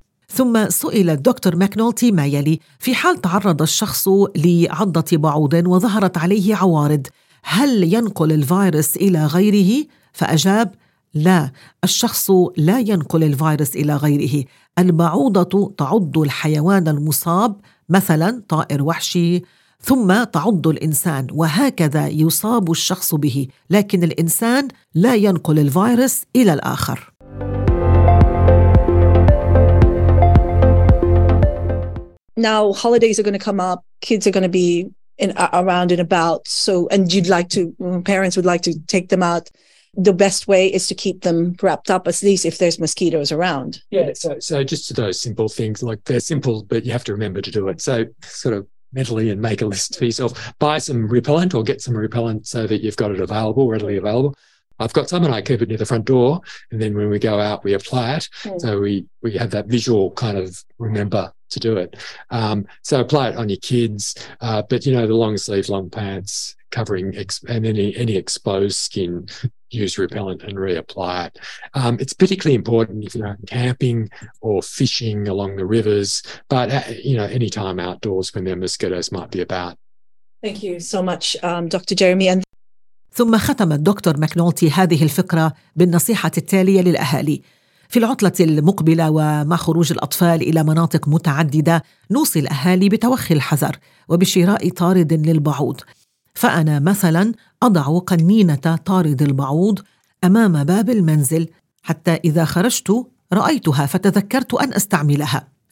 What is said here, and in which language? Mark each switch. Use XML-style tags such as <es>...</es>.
<ar>ثم سئل الدكتور ماكنولتي ما يلي: في حال تعرض الشخص لعضة بعوض وظهرت عليه عوارض، هل ينقل الفيروس إلى غيره؟ فأجاب: لا، الشخص لا ينقل الفيروس إلى غيره، البعوضة تعض الحيوان المصاب مثلا طائر وحشي ثم تعض الإنسان وهكذا يصاب الشخص به، لكن الإنسان لا ينقل الفيروس إلى الآخر.</ar> <en>Now holidays are going to come up, kids are going to be around and about, so and you'd like to, parents would like to take them out. The best way is to keep them wrapped up, at least if there's mosquitoes around. Yeah, so just to those simple things, like they're simple, but you have to remember to do it. So sort of mentally and make a list for yourself. Buy some repellent or get some repellent so that you've got it available, readily available. I've got some and I keep it near the front door. And then when we go out, we apply it. Mm. So we have that visual kind of remember to do it. So apply it on your kids. But, you know, the long sleeve, long pants, covering and any exposed skin, use repellent and reapply it. It's particularly important if you're camping or fishing along the rivers, but you know, any time outdoors when there are mosquitoes might be about. Thank you so much, Dr. Jeremy. And</en> <ar>ثم ختم الدكتور ماكنولتي هذه الفقرة بالنصيحة التالية للأهالي: في العطلة المقبلة ومع خروج الأطفال إلى مناطق متعددة، نوصي الأهالي بتوخي الحذر وبشراء طارد للبعوض. فأنا مثلاً أضع قنينة طارد البعوض أمام باب المنزل حتى إذا خرجت رأيتها فتذكرت أن أستعملها.</ar>